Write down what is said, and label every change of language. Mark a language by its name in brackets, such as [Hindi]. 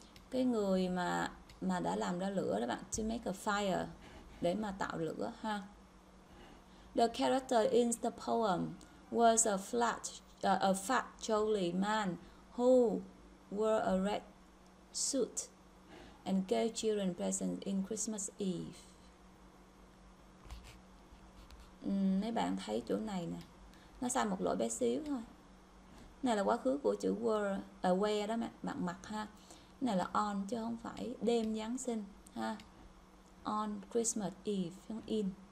[Vietnamese] Cái người mà đã làm ra lửa đó bạn, [English] to make a fire, [Vietnamese] để mà tạo lửa ha. [English] The character in the poem was a fat jolly man who wore a red suit and gave children presents in Christmas Eve. [Vietnamese] Mấy bạn thấy chỗ này nè, nó sai một lỗi bé xíu thôi. Này là quá khứ của chữ were, wear đó mà, bạn mặc ha. Này là on chứ không phải đêm Giáng sinh ha. [English] On Christmas Eve, [Vietnamese] không in.